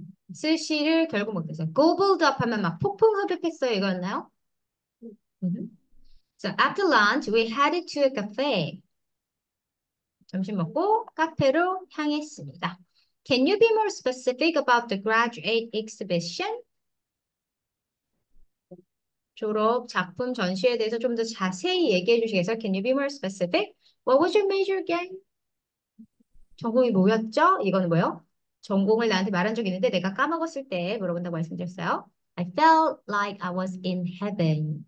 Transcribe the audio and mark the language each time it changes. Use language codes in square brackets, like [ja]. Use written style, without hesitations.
[ko] 스시를 결국 먹게 됐어요. [en] Gobbled up [ko] 하면 막 폭풍흡입했어요. 이거였나요? [en] So after lunch, we headed to a cafe. [ko] 점심 먹고 카페로 향했습니다. [en] Can you be more specific about the graduate exhibition? [ko] 졸업 작품 전시회에 대해서 좀더 자세히 얘기해 주시겠어요? [en] Can you be more specific? What was your major again? [ko] 전공이 뭐였죠? 이거는 뭐요? 전공을 나한테 말한 적 있는데 내가 까먹었을 때 물어본다고 말씀드렸어요. [en] I felt like I was in heaven.